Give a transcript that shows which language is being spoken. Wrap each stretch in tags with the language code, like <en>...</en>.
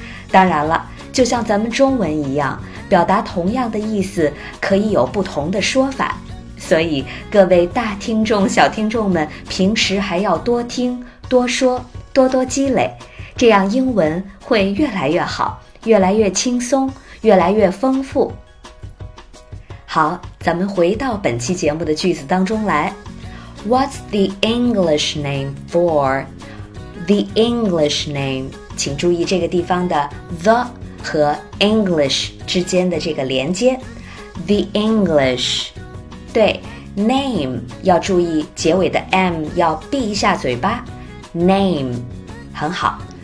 <zh>当然了，就像咱们中文一样，表达同样的意思可以有不同的说法，所以各位大听众小听众们平时还要多听多说多多积累，这样英文会越来越好，越来越轻松，越来越丰富。好，咱们回到本期节目的句子当中来。</zh> <en>What's the English name for?</en> <zh>The English name，请注意这个地方的 the和 English 之间的这个连接， The English，对， Name 要注意结尾的 M 要闭一下嘴巴， Name 很好。</zh>